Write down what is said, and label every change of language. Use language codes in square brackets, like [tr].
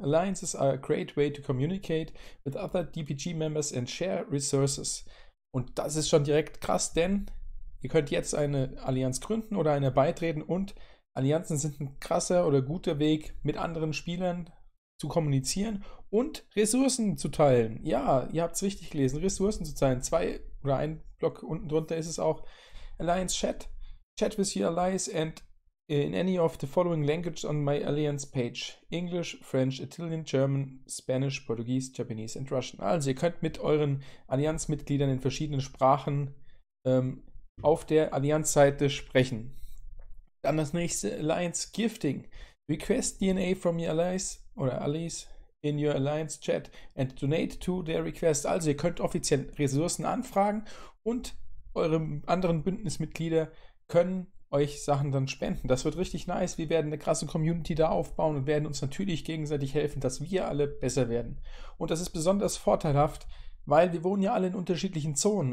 [en] Alliances are a great way to communicate with other DPG members and share resources. [de] Und das ist schon direkt krass, denn ihr könnt jetzt eine Allianz gründen oder einer beitreten und Allianzen sind ein krasser oder guter Weg, mit anderen Spielern zu kommunizieren und Ressourcen zu teilen. Ja, ihr habt es richtig gelesen, Ressourcen zu teilen. Zwei oder ein Block unten drunter ist es auch. [en] Alliance Chat. Chat with your allies and in any of the following language on my alliance page. English, French, Italian, German, Spanish, Portuguese, Japanese and Russian. [de] Also ihr könnt mit euren Allianzmitgliedern in verschiedenen Sprachen auf der Allianzseite sprechen. Dann das nächste, [en] Alliance Gifting. Request DNA from your allies oder allies in your alliance chat and donate to their request. [de] Also ihr könnt offiziell Ressourcen anfragen und eure anderen Bündnismitglieder können euch Sachen dann spenden. Das wird richtig nice. Wir werden eine krasse Community da aufbauen und werden uns natürlich gegenseitig helfen, dass wir alle besser werden. Und das ist besonders vorteilhaft, weil wir wohnen ja alle in unterschiedlichen Zonen.